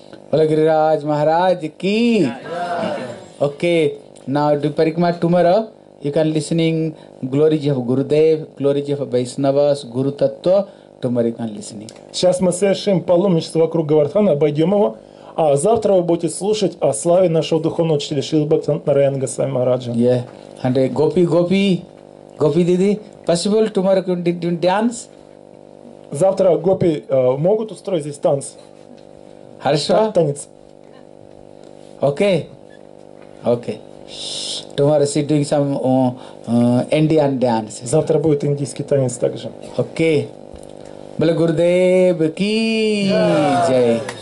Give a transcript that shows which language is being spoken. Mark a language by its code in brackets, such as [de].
[en] Hello, Гирирадж Махарадж ki. Okay, now do parikrama tomorrow. You can listening glories of Gurudev, glories of Vaishnavas, Guru Tattva. Tomorrow you can listening. [ru] Сейчас мы совершим паломничество вокруг Говардхана, обойдем его. А завтра вы будете слушать о славе нашего духовного учителя Шрилы Бхактинарайана Госвами Махараджа. [en] Yeah. And Gopi Didi, possible tomorrow you can dance? [ru] Завтра Гопи могут устроить здесь танц? Хорошо? Танец. [en] Окей. Окей. Tomorrow she's doing some Indian dance. [ru] Завтра будет индийский танец также. [en] Okay. Bala Gurudev ki jai.